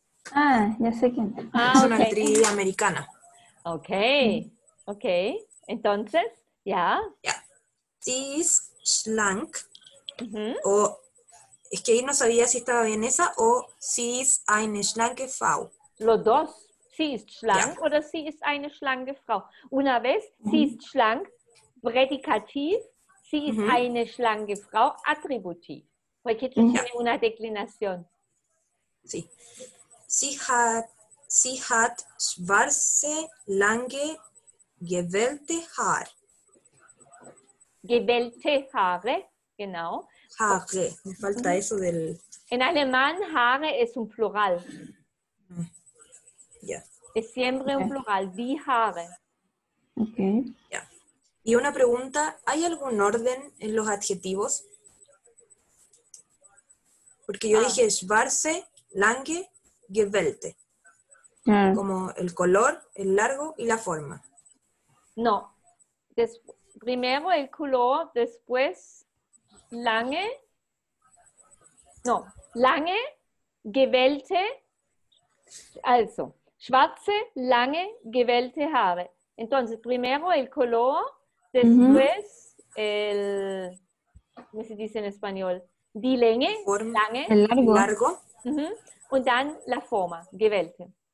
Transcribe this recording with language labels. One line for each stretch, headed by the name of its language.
Spanish: Ah, ya sé quién. Es una actriz americana. Ok, ok. Entonces, ¿ya?
German: Is slank. O...
Spanish: Es que ahí no sabía si estaba bien esa o si es
German: eine schlanke Frau.
Spanish: Los dos. Si es schlank o si es
German: eine schlanke Frau.
Spanish: Una vez, si es schlank, predicativ. Si es eine schlanke Frau, atributiv. Porque tú tienes una declinación. Sí.
German: Sie hat schwarze, lange, gewellte Haare. Gewellte Haare, genau.
Spanish: Haare, me falta eso del... En alemán, Haare es un plural. Es siempre un plural, die Haare. Y una pregunta, ¿hay algún orden en los adjetivos? Porque yo dije
German: schwarze, lange, gewellte.
Spanish: Como el color, el largo y la forma. No. Primero el color, después lange.
German: No, lange, gewellte, also, schwarze, lange, gewellte Haare.
Spanish: Entonces, primero el color, después el, ¿cómo se dice en español?
German: Die Länge, lange,
Spanish: el largo. Largo. Uh-huh.
German: Und dann
Spanish: la forma,
German: gewellte.